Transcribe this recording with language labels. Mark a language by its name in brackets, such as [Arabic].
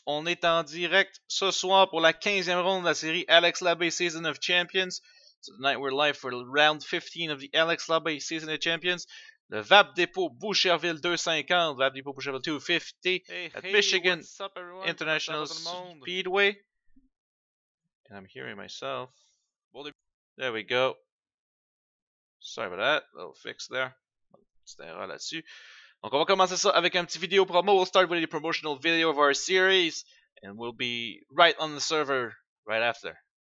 [French] On est en direct ce soir pour la 15e ronde de la série Alex Labbé Season of Champions. [English] Tonight we're live for round 15 of the Alex Labbé Season of Champions. [French] Le VAP Dépôt Boucherville 250, VAP Dépôt Boucherville 250 Michigan [English] what's up, [French] International Speedway. [English] And I'm hearing myself. There we go. Sorry about that, little fix there. [French] C'est une erreur là-dessus. Donc on va commencer ça avec un petit vidéo promo. [English] We'll start with the promotional video of our series. And we'll be right on the server right after.